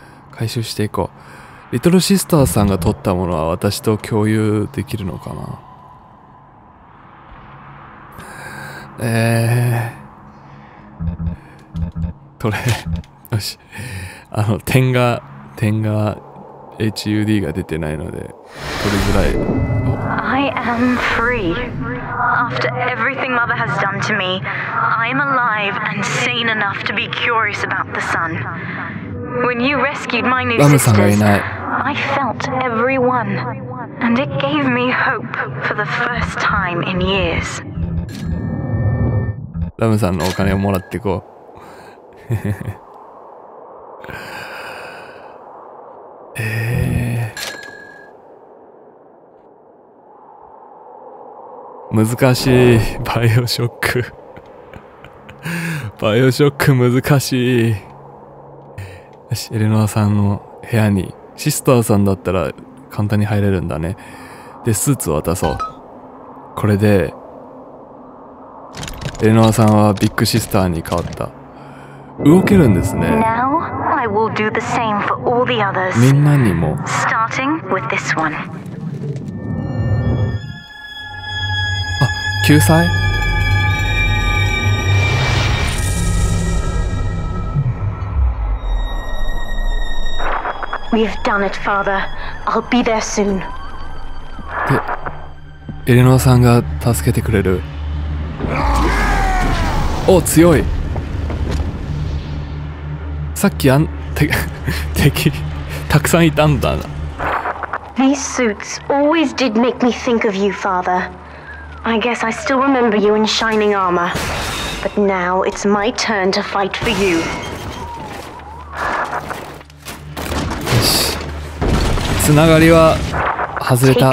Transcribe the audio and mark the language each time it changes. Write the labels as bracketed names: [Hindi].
[Japanese] 回収していこう。リトルシスターさんが取ったものは私と共有できるのかな。取れ。よし。あの、点が、HUD が出てないので取りづらい。 [English] I am free. After everything Mother has done to me, I am alive and sane enough to be curious about the sun. When you rescued my new sisters, I felt everyone, and it gave me hope for the first time in years. [Japanese] ラムさんのお金をもらっていこう。難しい。バイオショック。バイオショック難しい。よし、エレノアさんの部屋に。シスターさんだったら簡単に入れるんだね。で、スーツを渡そう。これで、エレノアさんはビッグシスターに変わった。動けるんですね。 [English] Now, I will do the same for all the others. [Japanese] みんなにも。 [English] Starting with this one. [Japanese] 救済？ [English] We've done it, Father. I'll be there soon. [Japanese] で、エレノアさんが助けてくれる。お、強い。さっき敵たくさんいたんだな。 [English] These suits always did make me think of you, Father. I guess I still remember you in shining armor. But now it's my turn to fight for you. [Japanese] よし。つながりは外れた。